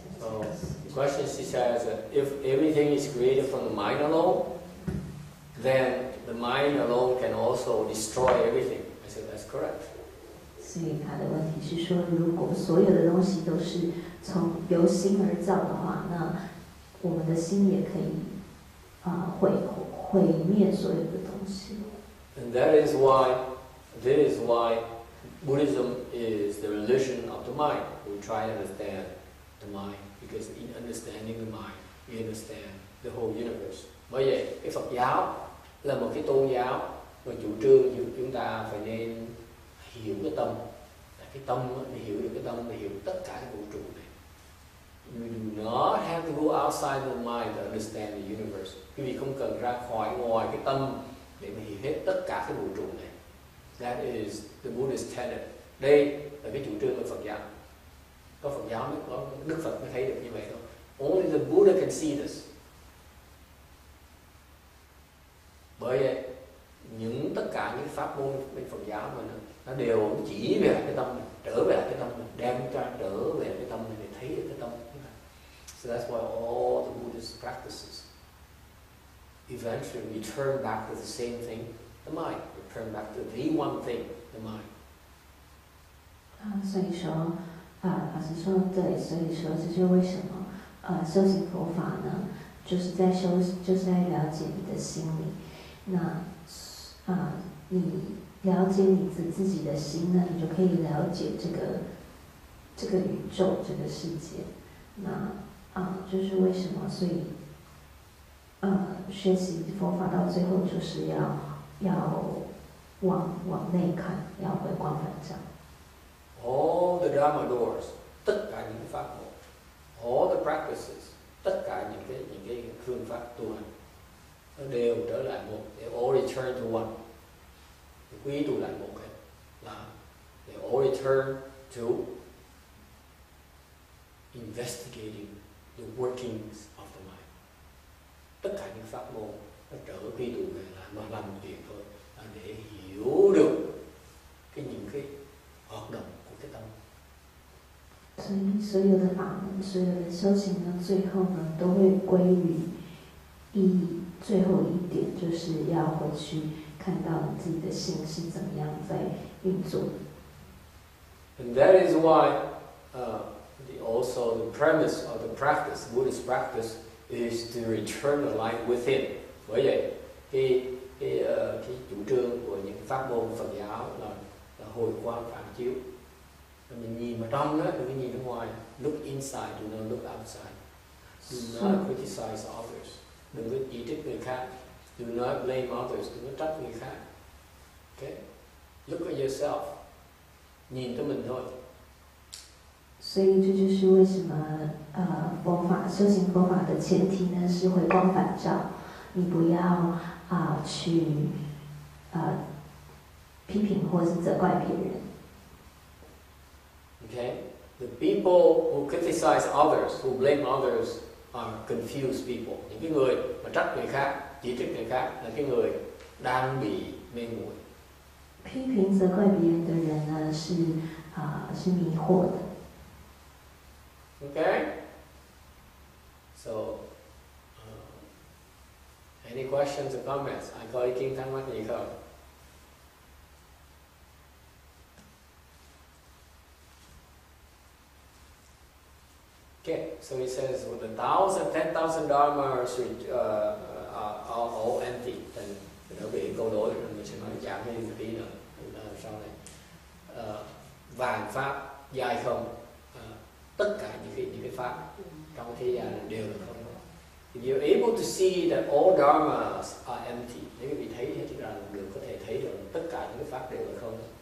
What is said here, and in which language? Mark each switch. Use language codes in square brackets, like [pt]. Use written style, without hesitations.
[en] So the question she says that if everything is created from the mind alone, then the mind alone can also destroy everything. I said that's correct. [zh] 所以他的问题是说，如果所有的东西都是从由心而造的话，那我们的心也可以毁灭所有的东西。 [en] And that is why Buddhism is the religion of the mind. We try to understand the mind because in understanding the mind, we understand the whole universe. [vi] Bởi vậy, cái Phật giáo là một cái tôn giáo mà chủ trương chúng ta phải nên hiểu cái tâm. Cái tâm để hiểu được cái tâm để hiểu tất cả vũ trụ này. [en] You do not have to go outside the mind to understand the universe. [vi] Quý vị không cần ra khỏi ngoài cái tâm để mà hiểu hết tất cả cái vũ trụ này. [en] That is the Buddhist tenet. [vi] Đây là cái chủ trương của Phật giáo. có Phật giáo mới có, Đức Phật mới thấy được như vậy thôi. [en] Only the Buddha can see this. [vi] Bởi vậy những tất cả những pháp môn bên Phật giáo mà nó đều chỉ về cái tâm mình, trở về cái tâm mình, đem cho trở về cái tâm mình để thấy được cái tâm mình. [en] So that's why all the Buddhist practices eventually return back to the same thing, the mind. Return back to the one thing, the mind. [zh] 所以说，法师说的对，所以说这就是为什么，修行佛法呢，就是在修，就是在了解你的心理。那，你了解你自己的心呢，你就可以了解这个宇宙，这个世界。那，就是为什么，所以，学习佛法到最后就是要往内看，要回光返照。 [en] All the Dharma doors, [vi] tất cả những pháp môn, [en] all the practices, [vi] tất cả những cái phương pháp tu hành, nó đều trở lại một, [en] they all return to one. They [vi] quy tụ lại một cái, là [en] they all return to investigating the workings of the mind. [vi] Tất cả những pháp môn, nó trở quy tụ về là nó làm một việc thôi, là để hiểu được cái những cái hoạt động. [zh] 所以所有的法门，所有的修行呢，最后呢，都会归于最后一点，就是要回去看到你自己的心是怎么样在运作的。 [en] And that is why, also the premise of the practice, Buddhist practice, is to return the light within. [zh] 所以，主张 [vi] của những pháp môn Phật giáo là hồi quang phản chiếu。 Mình nhìn vào trong đó, mình nhìn ra ngoài. [en] Look inside, do not look outside. Do not criticize others. [vi] Đừng có chỉ trích người khác. [en] Do not blame others. [vi] Đừng có trách người khác. [en] Okay? Look at yourself. [vi] Nhìn tới mình thôi. [zh] 所以这就是为什么佛法修行佛法的前提呢是回光返照。你不要去批评或是责怪别人。 [en] Okay, the people who criticize others, who blame others, are confused people. [vi] Những cái người mà trách người khác, chỉ trích người khác là cái người đang bị mê muội. [zh] 批评责怪别人的人呢是是迷惑的。 [en] Okay. So, any questions or comments? I call you King Tang Wan Yi Kao. Okay, so he says, well, the 1,000, 10,000 dharmas are all empty. [vi] Then nó bị câu đối, nên mình sẽ nói giảm đi một tí nữa. Sau này, vạn pháp dài không, tất cả những cái pháp trong thế gian đều là không. [en] If you're able to see that all dharmas are empty, [vi] nếu quý vị thấy thì rằng được có thể thấy được tất cả những cái pháp đều là không.